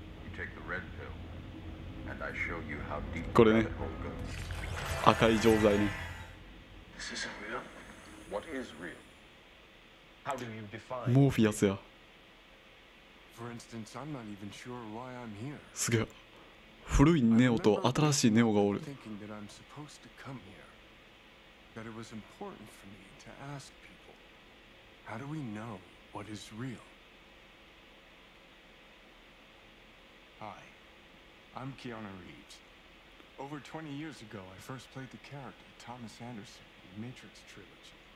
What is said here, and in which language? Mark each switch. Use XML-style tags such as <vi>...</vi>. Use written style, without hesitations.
<en>You take the red pill, and I show you how deep the rabbit hole goes.</en> <ja>これね、赤い錠剤ね。</ja> <en>This isn't real. What is real? How do you define?</en> <ja>モーフィアスや。</ja> <en>For instance, I'm not even sure why I'm here.</en> <ja>すげえ。古いネオと新しいネオがおる。</ja> <en>Thinking that I'm supposed to come here. That it was important for me to ask people, how do we know what is real? Hi, I'm Keanu Reeves. Over 20 years ago, I first played the character Thomas Anderson in the Matrix trilogy.</en>